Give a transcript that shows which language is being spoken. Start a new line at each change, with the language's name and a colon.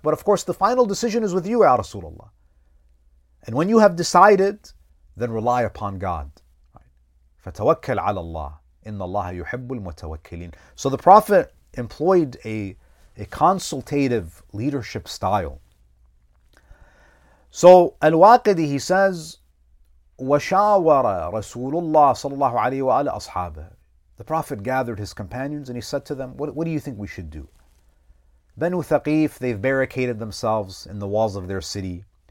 English: But of course, the final decision is with you, Ya Rasulullah. And when you have decided, then rely upon God.
Arabic: فَتَوَكَّلْ عَلَى اللَّهِ إِنَّ اللَّهَ يُحِبُّ الْمُتَوَكِّلِينَ.
English: So the Prophet employed a consultative leadership style. So Al-Waqidi, he says,
Arabic: وَشَاوَرَ رَسُولُ اللَّهِ صَلَى اللَّهُ عَلَيْهِ وَعَلَى أَصْحَابِهِ.
English: The Prophet gathered his companions and he said to them, what do you think we should do? Banu Thaqif, they've barricaded themselves in the walls of their city.